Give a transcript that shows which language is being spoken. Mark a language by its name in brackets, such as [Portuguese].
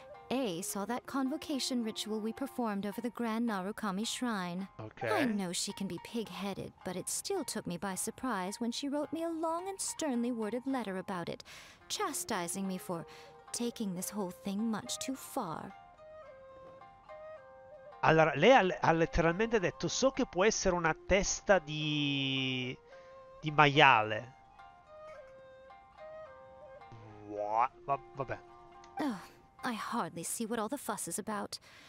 [English] A saw that convocation ritual we performed over the Grand Narukami Shrine. Okay. I know she can be pig-headed, but it still took me by surprise when she wrote me a long and sternly worded letter about it, chastising me for taking this whole thing much too far. [Italian] Allora, lei ha letteralmente detto, so che può essere una testa di maiale. Vabbè. [English] Oh, I hardly see what all the fuss is about.